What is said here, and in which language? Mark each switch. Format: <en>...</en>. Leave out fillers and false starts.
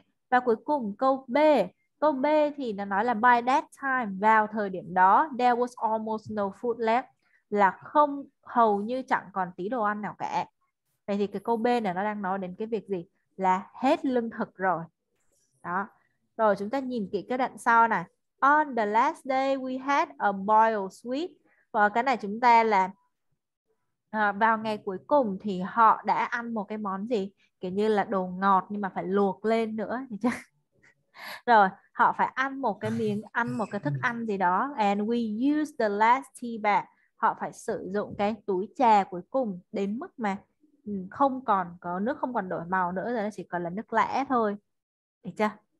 <vi>Và cuối cùng câu B. Câu B thì nó nói là</vi> <en>by that time,</en> <vi>vào thời điểm đó,</vi> <en>there was almost no food left,</en> <vi>là không, hầu như chẳng còn tí đồ ăn nào cả. Vậy thì cái câu B này nó đang nói đến cái việc gì? Là hết lương thực rồi. Đó. Rồi chúng ta nhìn kỹ cái đoạn sau này.</vi> <en>On the last day we had a boiled sweet.</en> <vi>Và cái này chúng ta là vào ngày cuối cùng thì họ đã ăn một cái món gì? Kiểu như là đồ ngọt nhưng mà phải luộc lên nữa. Thì chắc. Rồi, họ phải ăn một cái miếng, ăn một cái thức ăn gì đó.</vi> <en>And we use the last tea bag.</en> <vi>Họ phải sử dụng cái túi trà cuối cùng đến mức mà không còn có nước, không còn đổi màu nữa, rồi nó chỉ còn là nước lẻ thôi. Được chưa?</vi>